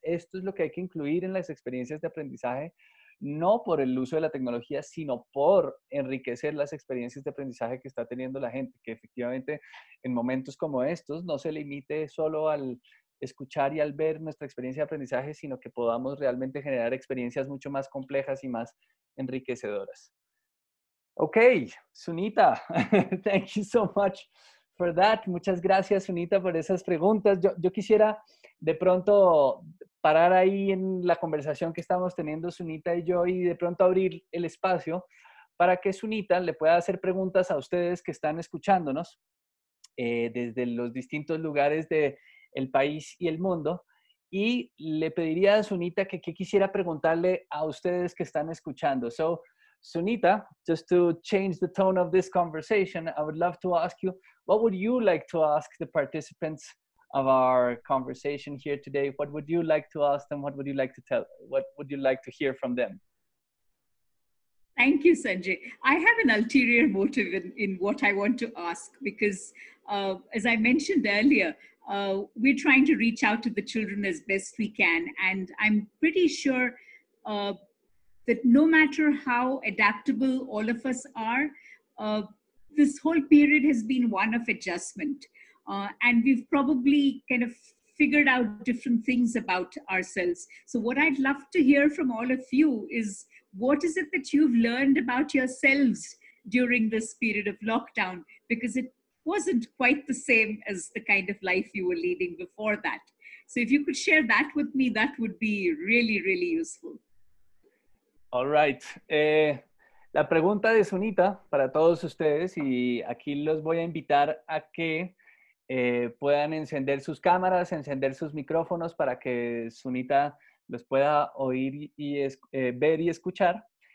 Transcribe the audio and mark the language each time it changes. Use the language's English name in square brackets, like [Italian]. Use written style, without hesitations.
[Spanish] Esto es lo que hay que incluir en las experiencias de aprendizaje, no por el uso de la tecnología, sino por enriquecer las experiencias de aprendizaje que está teniendo la gente, que efectivamente en momentos como estos no se limite solo al escuchar y al ver nuestra experiencia de aprendizaje, sino que podamos realmente generar experiencias mucho más complejas y más enriquecedoras. [English] Ok, Sunita, thank you so much for that. [Spanish] Muchas gracias, Sunita, por esas preguntas. Yo quisiera de pronto parar ahí en la conversación que estamos teniendo Sunita y yo, y de pronto abrir el espacio para que Sunita le pueda hacer preguntas a ustedes que están escuchándonos desde los distintos lugares del país y el mundo. Y le pediría a Sunita que quisiera preguntarle a ustedes que están escuchando. [English] So, Sunita, just to change the tone of this conversation, I would love to ask you, what would you like to ask the participants of our conversation here today? What would you like to ask them? What would you like to tell? What would you like to hear from them? Thank you, Sanjay. I have an ulterior motive in what I want to ask, because as I mentioned earlier, we're trying to reach out to the children as best we can. And I'm pretty sure that no matter how adaptable all of us are, this whole period has been one of adjustment. And we've probably kind of figured out different things about ourselves. So what I'd love to hear from all of you is, what is it that you've learned about yourselves during this period of lockdown? Because it wasn't quite the same as the kind of life you were leading before that. So if you could share that with me, that would be really, really useful. All right. [Spanish] La pregunta de Sunita para todos ustedes, y aquí los voy a invitar a que puedan encender sus cámaras, encender sus micrófonos para que Sunita los pueda oír y ver y escuchar.